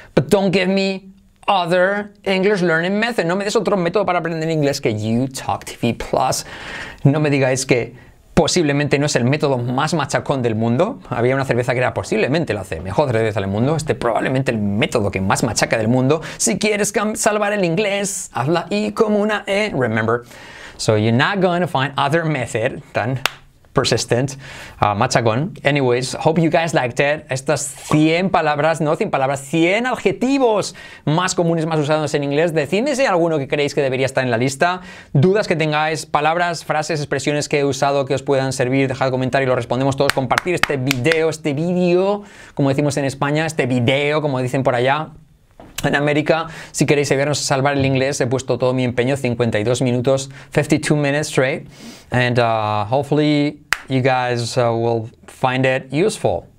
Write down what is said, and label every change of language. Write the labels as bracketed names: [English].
[English] But don't give me other English learning method. [Spanish] No me des otro método para aprender inglés que YouTalk TV Plus. No me digáis que posiblemente no es el método más machacón del mundo. Había una cerveza que era posiblemente la mejor cerveza del mundo. Este probablemente el método que más machaca del mundo. Si quieres salvar el inglés, hazla I como una E. [English] Remember, so you're not going to find other method than persistent, machacón. Anyways, hope you guys liked it. [Spanish] Estas 100 palabras, no 100 palabras, 100 adjetivos más comunes, más usados en inglés. Decidme si hay alguno que creéis que debería estar en la lista. Dudas que tengáis, palabras, frases, expresiones que he usado que os puedan servir, dejad comentar y lo respondemos todos. Compartir este vídeo, como decimos en España, este video, como dicen por allá. En América, si queréis ayudarnos a salvar el inglés, he puesto todo mi empeño, 52 minutos, [English] 52 minutes straight. And hopefully you guys will find it useful.